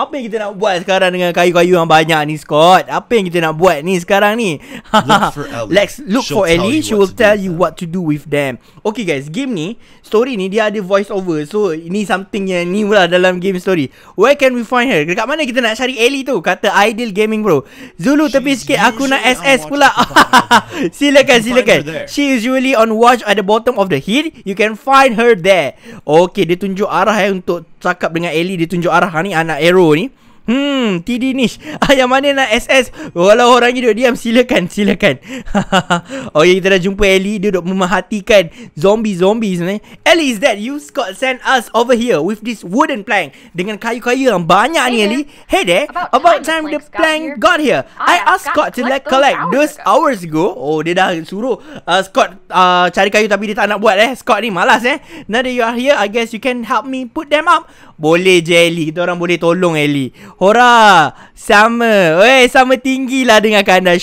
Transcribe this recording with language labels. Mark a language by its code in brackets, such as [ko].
[ms] Apa yang kita nak buat sekarang dengan kayu-kayu yang banyak ni Scott? Apa yang kita nak buat ni sekarang ni? [en] Let's look for Ellie. She will tell you what to do with them. [ms] Okay guys, game ni, story ni dia ada voice over. So ini something yang ni pula dalam game story. [en] Where can we find her? [ms] Dekat mana kita nak cari Ellie tu? Kata Ideal Gaming Bro. Zulu, tepi sikit, aku nak SS pula. Silakan. [en] She is usually on watch at the bottom of the hill. You can find her there. [ms] Okay, dia tunjuk arah untuk cakap dengan Ellie. Dia tunjuk arah ni, anak arrow ni. TD Nish. Yang mana nak SS? Walau orang ni duduk diam, silakan, silakan. Oh ya, kita dah jumpa Ellie. Dia duduk memerhatikan zombie-zombie sebenarnya. Ellie, [en] is that you? Scott sent us over here with this wooden plank. [ms] Dengan kayu-kayu yang banyak ni, Ellie. [en] Hey there, about time the plank got here. I asked Scott to let collect those hours ago. [ms] Oh, dia dah suruh Scott cari kayu tapi dia tak nak buat eh. Scott ni malas eh. [en] Now that you are here, I guess you can help me put them up. [ms] Boleh je Ellie, kita orang boleh tolong Ellie. Hora, sama. Weh, sama tinggilah dengan Kanda.